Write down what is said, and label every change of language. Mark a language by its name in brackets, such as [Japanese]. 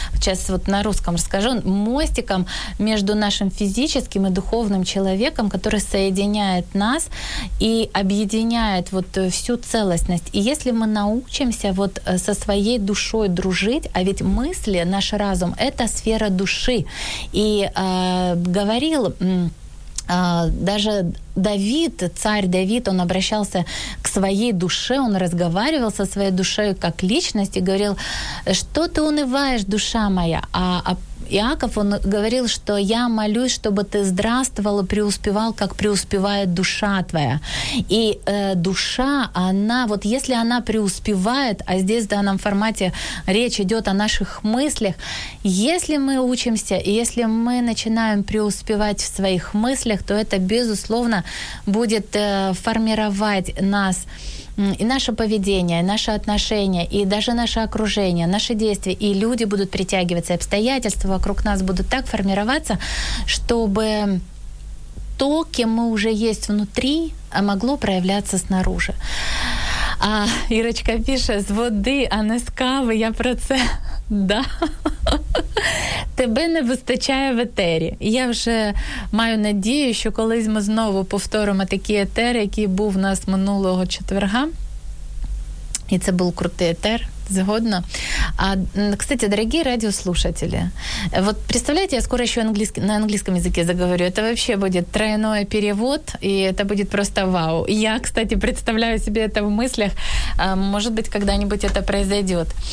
[Ukrainian] Зараз на русскому скажу, мостиком між нашим фізичним і духовним чоловіком, який з'єднує нас і об'єднує всю цілісність. І якщо ми навчимося зі своєю душою дружити, а від мислі наш разум – це сфера душі. І говорив, [Russian] даже Давид, царь Давид, он обращался к своей душе, он разговаривал со своей душой как личность и говорил, что ты унываешь, душа моя, Иаков, он говорил, что я молюсь, чтобы ты здравствовал и преуспевал, как преуспевает душа твоя. И душа, она, если она преуспевает, а здесь в данном формате речь идет о наших мыслях, если мы учимся, если мы начинаем преуспевать в своих мыслях, то это, безусловно, будет формировать нас. И наше поведение, и наши отношения, и даже наше окружение, наши действия, и люди будут притягиваться, и обстоятельства вокруг нас будут так формироваться, чтобы то, кем мы уже есть внутри, могло проявляться снаружи. А Ирочка пишет, с воды, а не с кавы, [Ukrainian] я про це. [Russian] Да. [Ukrainian] Тебе не вистачає в етері. Я вже маю надію, що колись ми знову повторимо такий етер, який був у нас минулого четверга. І це був крутий етер. Згодно. [Russian] А, кстати, дорогие радиослушатели, представляете, я скоро еще на английском языке заговорю. Это вообще будет тройной перевод, и это будет просто вау. Я, кстати, представляю себе это в мыслях. Может быть, когда-нибудь это произойдет.